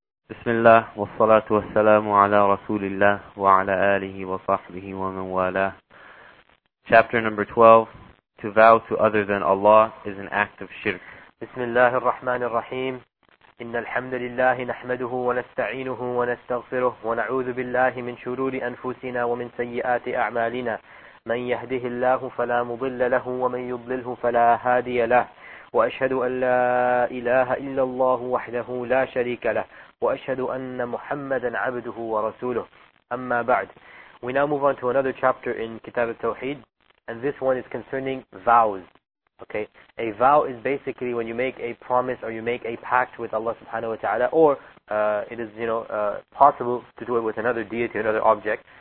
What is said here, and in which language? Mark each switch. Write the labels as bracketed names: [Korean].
[Arabic] بسم الله والصلاة والسلام على رسول الله وعلى آله وصحبه ومن والاه. [English] Chapter number 12, to vow to other than Allah is an act of shirk. [Arabic] بسم الله الرحمن الرحيم. إن الحمد لله نحمده ونستعينه ونستغفره ونعوذ بالله من شرور أنفسنا ومن سيئات أعمالنا. من يهده الله فلا مضل له ومن يضلله فلا هادي له. وأشهد أن لا إله إلا الله وحده لا شريك له. وأشهد أن محمدا عبده ورسوله. أما بعد, [English] we now move on to another chapter in Kitab al-Tawheed, and this one is concerning vows. Okay, a vow is basically when you make a promise or you make a pact with Allah subhanahu wa ta'ala, or it is, you know, possible to do it with another deity, another object.